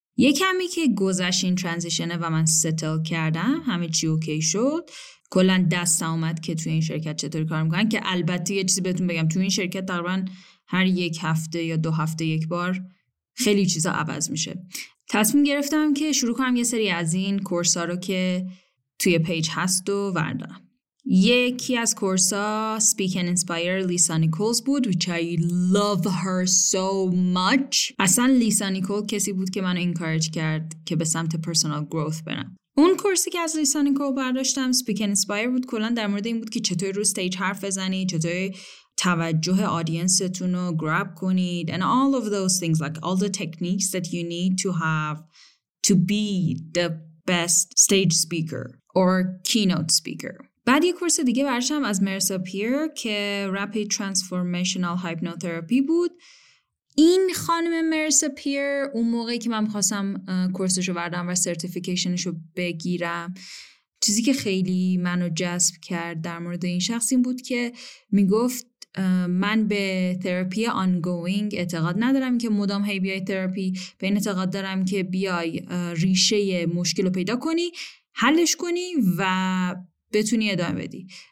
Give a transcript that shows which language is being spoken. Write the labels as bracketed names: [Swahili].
[Persian] یکمی که گذشت این ترانزیشنه و من ستل کردم، همه چی اوکی شد، کلن دست اومد که توی این شرکت چطور کار میکنن، که البته یه چیزی بهتون بگم، توی این شرکت تقریبا هر 1 هفته یا 2 هفته یک بار خیلی چیزا عوض میشه. تصمیم گرفتم که شروع کنم یه سری از این کورس ها رو که توی پیج هست و وردارم. یکی از کورس ها Speak and Inspire لیسا نیکولز بود، [English] which I love her so much. [Persian] اصلا لیسا نیکول کسی بود که منو انکارج کرد که به سمت پرسونال گروث برم. اون کورسی که از لیسا نیکول برداشتم Speak and Inspire بود، کلا در مورد این بود که چطور رو استیج حرف بزنی، چطور توجه آدینستون رو گراب کنید [English] and all of those things, like all the techniques that you need to have to be the best stage speaker or keynote speaker. [Persian] بعد یک کورس دیگه برشم از مرسا پیر که Rapid Transformational Hypnotherapy بود. این خانم مرسا پیر اون موقعی که من خواستم کورسش رو بردم و سرتیفیکیشنش رو بگیرم، چیزی که خیلی منو جذب کرد در مورد این شخص این بود که میگفت من به تراپی آنگوینگ اعتقاد ندارم که مدام هی بیای تراپی، به این اعتقاد دارم که بیای ریشه مشکل رو پیدا کنی، حلش کنی و بتونی ادامه بدی.